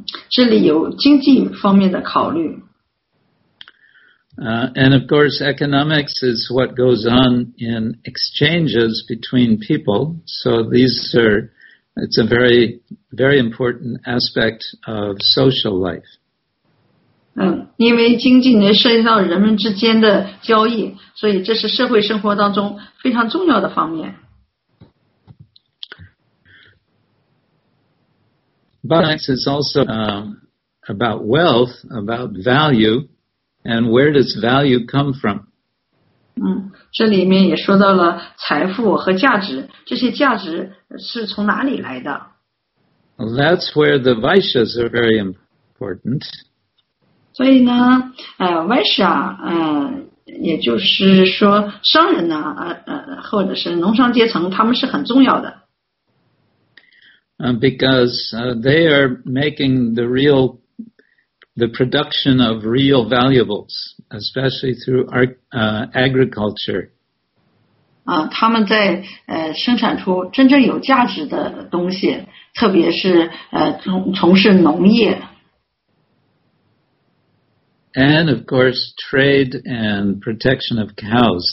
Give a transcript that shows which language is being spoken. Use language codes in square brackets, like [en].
[zh] 这里有经济方面的考虑。 [en] And of course, economics is what goes on in exchanges between people. So it's a very, very important aspect of social life. [zh] 因为经济呢涉及到人们之间的交易，所以这是社会生活当中非常重要的方面。 [en] But it's also about wealth, about value, and where does value come from? [zh] 这里面也说到了财富和价值，这些价值是从哪里来的？ [en] Well, that's where the vaishyas are very important. [zh] 所以呢，vaishya，也就是说商人呢，或者是农商阶层，他们是很重要的。 [en] Because they are making the production of real valuables, especially through agriculture. [zh] 他们在生产出真正有价值的东西，特别是从事农业。 [en] And of course, trade and protection of cows.